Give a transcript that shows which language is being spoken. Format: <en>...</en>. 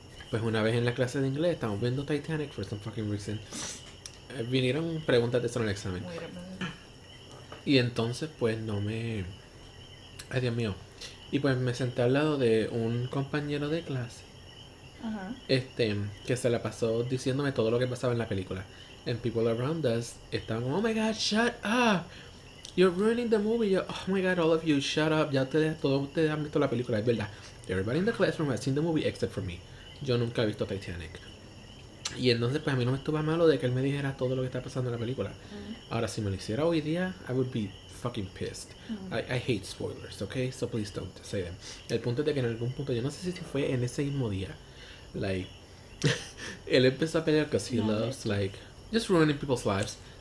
<es>Pues una vez en la clase de inglés, estamos viendo Titanic</es> <en>for some fucking reason,</en> <es>vinieron preguntas de eso en el examen. Y entonces, pues no me... Ay, Dios mío. Y pues me senté al lado de un compañero de clase. Uh-huh. Que se la pasó diciéndome todo lo que pasaba en la película.</es> <en>And people around us</en> <es>estaban como,</es> <en>oh my god, shut up. You're ruining the movie. Yo, oh my god, all of you, shut up.</en> <es>Ya ustedes, todos ustedes han visto la película, es verdad.</es> <en>Everybody in the classroom has seen the movie except for me.</en> <es>Yo nunca he visto Titanic. Y entonces, pues a mí no me estuvo malo de que él me dijera todo lo que está pasando en la película. Uh-huh. Ahora, si me lo hiciera hoy día,</es> <en>I would be fucking pissed.</en> <es>Uh-huh.</es> <en>I hate spoilers, okay? So please don't say them.</en> <es>El punto es de que en algún punto, yo no sé si fue en ese mismo día, like, él empezó a pelear</es> <en>because he loves, like, just ruining people's lives.</en>